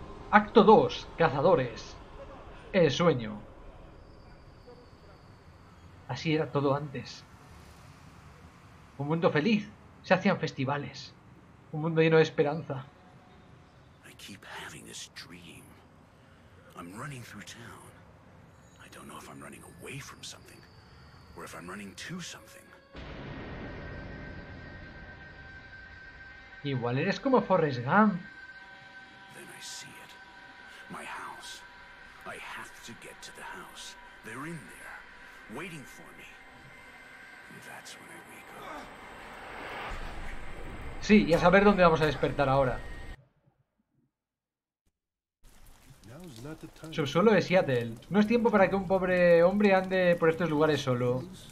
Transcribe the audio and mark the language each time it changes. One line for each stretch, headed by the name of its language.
Spanish: Acto 2. Cazadores. El sueño. Así era todo antes. Un mundo feliz. Se hacían festivales. Un mundo lleno de esperanza.
English: I keep having this dream. I'm running through town. don't know if I'm running away from something, or if I'm running to something.
Spanish: Igual eres como Forrest Gump.
English: Then I see it. My house. I have to get to the house. They're in there, waiting for me. And that's when I wake up.
Spanish: Sí, y a saber dónde vamos a despertar ahora. Subsuelo de Seattle. No es tiempo para que un pobre hombre ande por estos lugares solo.